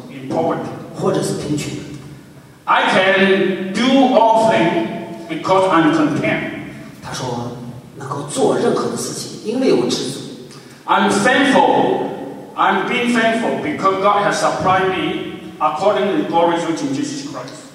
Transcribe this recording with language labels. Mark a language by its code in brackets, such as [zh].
[en] in poverty [zh] 或者是贫穷 [en] I can do all things because I'm content [zh] 他说能够做任何的事情因为我知足 [en] I'm being thankful because God has supplied me according to the glory which in Jesus Christ